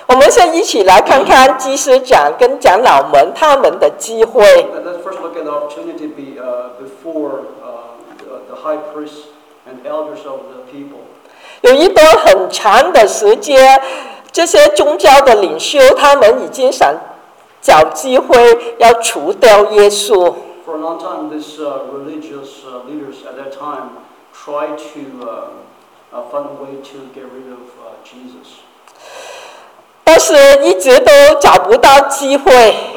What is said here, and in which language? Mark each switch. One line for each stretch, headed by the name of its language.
Chinese: 我们先一起来看看祭司长跟长老们他们的机会。
English: Let's first look at the opportunity before the high priests and elders of the people.
Chinese: 有一段很长的时间，这些宗教的领袖他们已经想找机会要除掉耶稣。
English: For a long time, these religious leaders at that time tried to find a way to get rid of. Jesus.
Chinese: 但是一直都找不到机会。